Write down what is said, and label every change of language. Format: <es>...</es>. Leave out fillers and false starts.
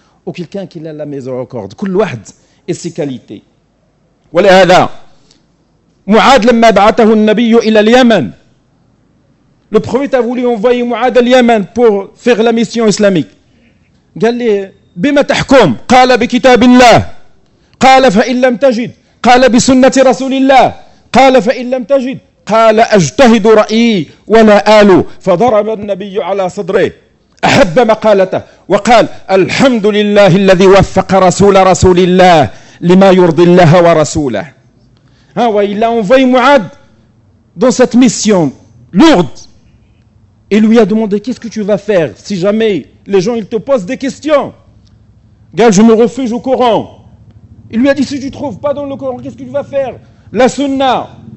<fr>Ou quelqu'un qui a la miséricorde. Tout le monde a ses qualités. Voilà. Et Mouad, quand il a envoyé le Nabi à Yémen, le prophète a voulu envoyer Mouad à Yémen pour faire la mission islamique. Il a dit</fr> <ar>قال بكتاب الله قال فإن لم تجد قال بسنة رسول الله قال فإن لم تجد قال أجتهد رأيي ولا آله. فضرب النبي على صدره أحب مقالته وقال الحمد لله الذي وفق رسول الله لما يرضي الله ورسوله.</ar> <fr>ها وإلا أنفي معاد dans cette mission lourde. Il lui a demandé qu'est-ce que tu vas faire si jamais les gens ils te posent des questions. قال je me refuge au Coran. Il lui a dit si tu ne trouves pas dans le Coran qu'est-ce que tu vas faire. La sunna.</fr>